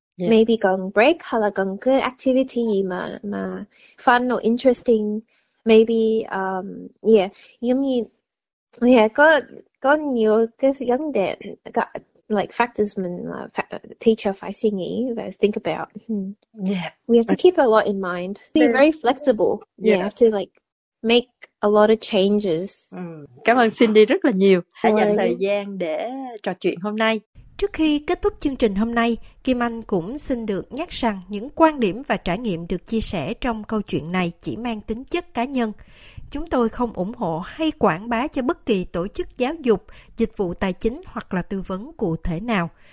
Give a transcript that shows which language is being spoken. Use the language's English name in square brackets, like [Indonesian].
[Vietnamese] Maybe cần break hay là cần cái activity gì mà [English] fun or interesting. [Vietnamese] Maybe giống như có nhiều cái vấn đề [English] like factors [Vietnamese] mình là teacher phải suy nghĩ và [English] think about. We have to keep a lot in mind. Be very flexible. You have to like make a lot of changes. [Vietnamese] Cảm ơn Cindy rất là nhiều đã dành thời Rồi. gian để trò chuyện hôm nay. Trước khi kết thúc chương trình hôm nay, Kim Anh cũng xin được nhắc rằng những quan điểm và trải nghiệm được chia sẻ trong câu chuyện này chỉ mang tính chất cá nhân. Chúng tôi không ủng hộ hay quảng bá cho bất kỳ tổ chức giáo dục, dịch vụ tài chính hoặc là tư vấn cụ thể nào.